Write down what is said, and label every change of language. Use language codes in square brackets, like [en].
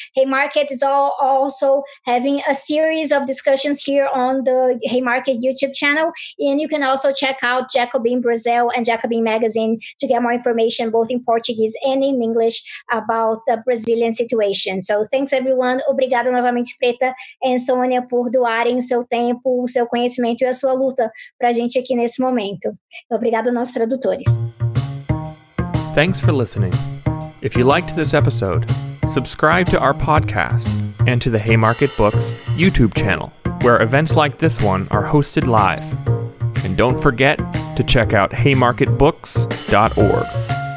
[en] Hey Market is also having a series of discussions here on the Hey Market YouTube channel. And you can also check out Jacobin Brazil and Jacobin Magazine to get more information, both in Portuguese and in English about the Brazilian situation. So thanks everyone. [pt] Obrigada novamente, Preta e Sônia, por doarem seu tempo, o seu conhecimento e a sua luta para a gente aqui nesse momento. Obrigado aos nossos tradutores. [en] Thanks for listening. If you liked this episode, subscribe to our podcast and to the Haymarket Books YouTube channel, where events like this one are hosted live. And don't forget to check out haymarketbooks.org.